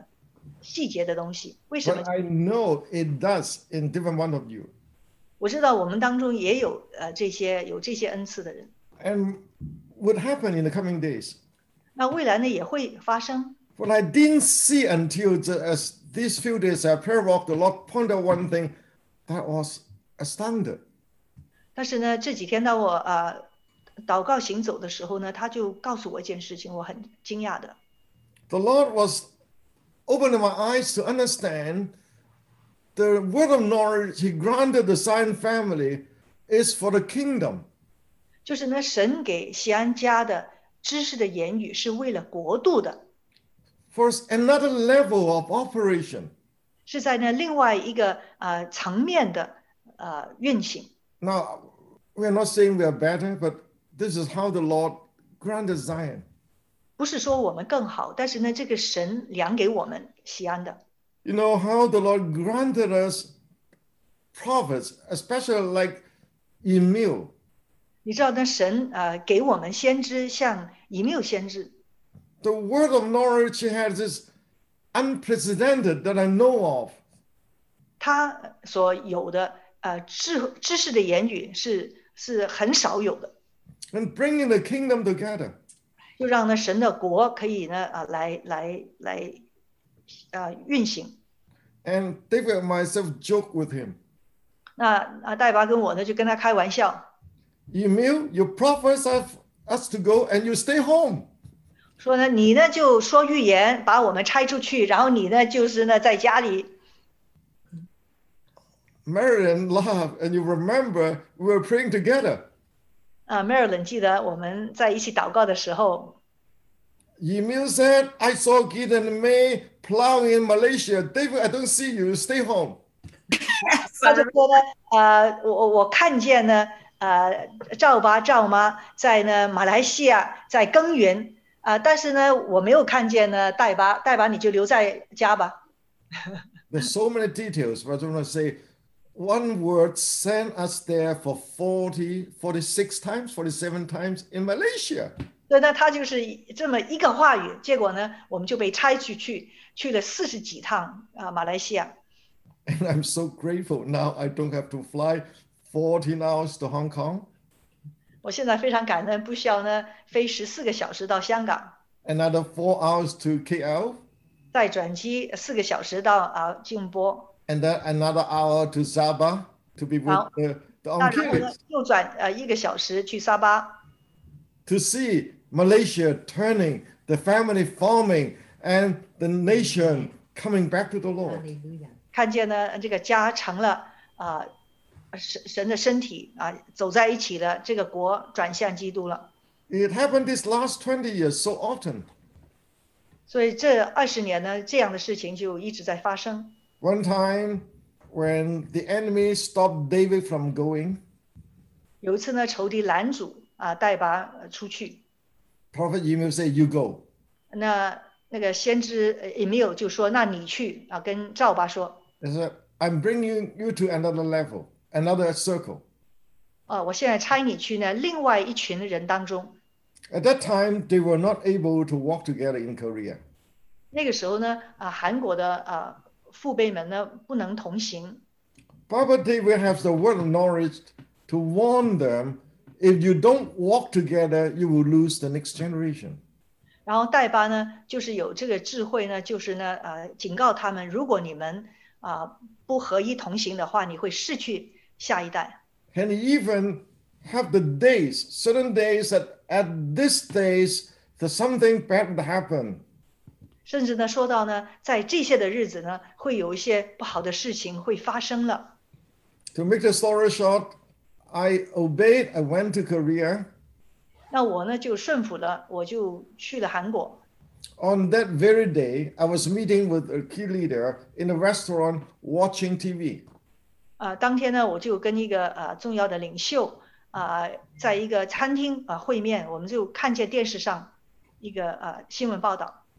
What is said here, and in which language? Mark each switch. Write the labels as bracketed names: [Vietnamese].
[Chinese] 我在想呢，为什么没有这些呢？个别的这类的恩赐哈，知道呢，某一些人的他的一些的细节的东西，为什么？ [English] But I know it does in different one of you. [Chinese] 我知道我们当中也有这些恩赐的人。 [English] And what happened in the coming days? [Chinese] 那未来呢也会发生。 [English] What I didn't see until these few days I prayer walked, the Lord pointed out one thing. That was astounded. [Chinese] 但是呢，这几天当我祷告行走的时候呢，他就告诉我一件事情，我很惊讶的。 [English] The Lord was opened my eyes to understand the word of knowledge he granted the Zion family is for the kingdom. [Chinese] 就是那神给锡安家的知识的言语是为了国度的。 [English] For another level of operation. [Chinese] 是在那另外一个层面的运行。 [English] Now, we are not saying we are better, but this is how the Lord granted Zion. [Chinese] 不是说我们更好，但是呢，这个神量给我们西安的。 [English] You know how the Lord granted us prophets, especially like Emil. [Chinese] 你知道那神给我们先知，像以缪先知。 [English] The word of knowledge he has is unprecedented that I know of. [Chinese] 他所有的知识的言语是很少有的。 [English] And bringing the kingdom together. [Chinese] 就让呢神的国可以呢来运行。 [English] And David and myself joke with him. [Chinese] 那戴巴跟我呢就跟他开玩笑。 [English] Emil, you prophesy us to go and you stay home. [Chinese] 说呢你呢就说预言把我们拆出去，然后你呢就是呢在家里。 [English] Marilyn, love, and you remember we were praying together. [Chinese] Marilyn 记得我们在一起祷告的时候。 [English] Emil said, I saw Gid and May plowing in Malaysia. David, I don't see you. Stay home. [Chinese] 他就说呢我看见呢赵爸赵妈在呢马来西亚在耕耘。但是呢我没有看见呢戴巴，戴巴你就留在家吧。 [English] There's so many details, but I don't want to say. One word sent us there for 46 times, 47 times in Malaysia. [Chinese] 对，那他就是这么一个话语，结果呢，我们就被拆出去，去了四十几趟马来西亚。 [English] And I'm so grateful now I don't have to fly 14 hours to Hong Kong. [Chinese] 我现在非常感恩，不需要呢飞十四个小时到香港。 [English] Another 4 hours to KL. [Chinese] 再转机四个小时到静波。 [English] And then another hour to Sabah to be with the Onkelis. [Chinese] 又转一个小时去沙巴。 [English] To see Malaysia turning, the family forming, and the nation coming back to the Lord. [Chinese] 看见呢这个家成了神的身体走在一起了，这个国转向基督了。 [English] It happened this last 20 years so often. [Chinese] 所以这二十年呢，这样的事情就一直在发生。 [English] One time, when the enemy stopped David from going, [Chinese] 有一次呢，仇敌拦阻戴拔出去。 [English] Prophet Emil said, "You go." [Chinese] 那个先知 Emil 就说，那你去跟赵巴说。 [English] He said, "I'm bringing you to another level, another circle." [Chinese] 我现在差你去呢，另外一群人当中。 [English] At that time, they were not able to walk together in Korea. [Chinese] 那个时候呢，韩国的父辈们呢不能同行。 [English] Prophet David has the word of knowledge to warn them, if you don't walk together, you will lose the next generation. [Chinese] 然后戴巴呢就是有这个智慧呢，就是呢警告他们，如果你们不合一同行的话，你会失去下一代。 [English] And he even have the days, certain days that at this days there's something bad to happen. [Chinese] 甚至呢说到呢在这些的日子呢会有一些不好的事情会发生了。 [English] To make the story short, I obeyed, I went to Korea. [Chinese] 那我呢就顺服了，我就去了韩国。 [English] On that very day, I was meeting with a key leader in a restaurant watching TV. [Chinese] 当天呢我就跟一个重要的领袖在一个餐厅会面，我们就看见电视上一个新闻报道。